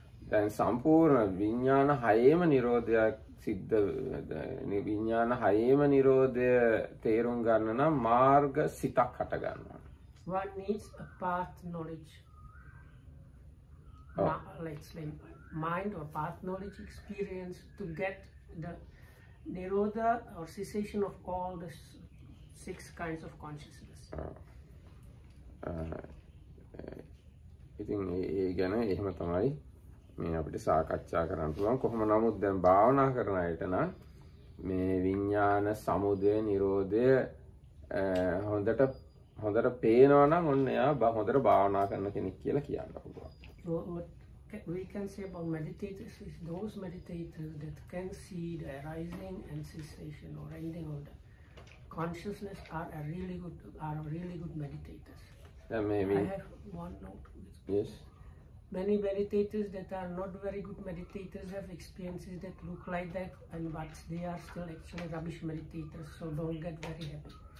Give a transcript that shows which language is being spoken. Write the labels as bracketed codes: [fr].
[si] දැන් සම්පූර්ණ විඥාන හයේම නිරෝධයක් සිද්ධ විඥාන හයේම නිරෝධය තේරුම් ගන්න නම් මාර්ග සිතක් හට ගන්නවා. [en] One needs a path knowledge. Let's say mind or path knowledge experience to get the Nirodha or cessation of all the six kinds of consciousness. [si] ඉතින් ඒ ගැන එහෙම තමයි මේ අපිට සාකච්ඡා කරන්න පුළුවන්. කොහොම නමුත් දැන් භාවනා කරන අයට නම් මේ විඥාන සමුදය නිරෝධය හොඳට පේනවා නම් ඔන්න එයා හොඳට භාවනා කරන කෙනෙක් කියලා කියන්න පුළුවන්. [en] We can say about meditators is those meditators that can see the arising and cessation or ending of the consciousness are really good meditators. Maybe. I have one note. Yes. Many meditators that are not very good meditators have experiences that look like that, and but they are still actually rubbish meditators, so don't get very happy.